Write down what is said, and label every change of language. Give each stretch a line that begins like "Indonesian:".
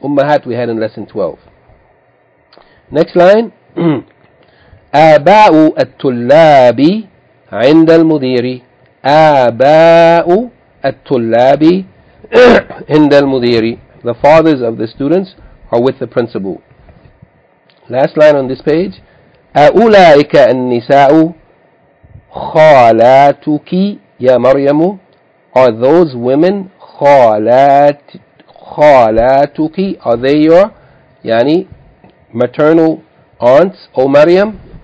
English: أمهات we had in lesson 12. Next line.
Arabic: آباء الطلاب عند المدير. آباء الطلاب عند المدير.
English: The fathers of the students are with the principal. Last line on this page.
Arabic: أولئك النساء خالاتك يا مريم.
English: Are those women خالاتك, are they your, يعني maternal aunts, O Maryam?